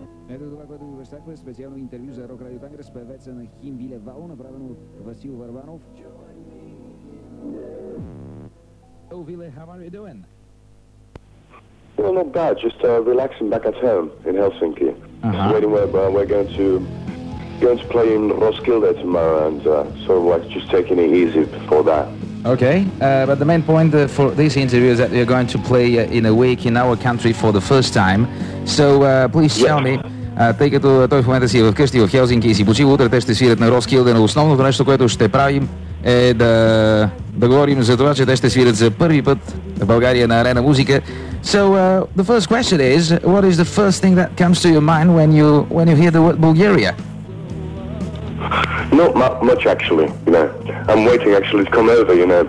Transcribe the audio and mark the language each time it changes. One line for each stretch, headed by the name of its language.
Bulgarian: Ето това, което ви обещахме, специално интервю за Рок Радио Тангра с певеца на Хим Виле Вало, направено от Васил Върбанов.
English: Hello, Виле, how are you doing? Well, not bad, just relaxing back at home in Helsinki. Uh-huh. Waiting where we're going to play in Roskilde tomorrow and sort of like just taking it easy before that. Okay, but the main point for this interview is that you're going to play in a week in our country for the first time. So please tell me,
Bulgarian: тъй като той в момента си е вкъщи в Хелзинки и си почива, утре те ще свирят на Roskilde, но основното нещо, което ще правим е да говорим за това, че те ще свирят за първи път в България на Арена Музика.
English: So the first question is, what is the first thing that comes to your mind when you hear the word Bulgaria? Not much actually, you know. I'm waiting actually to come over, you know.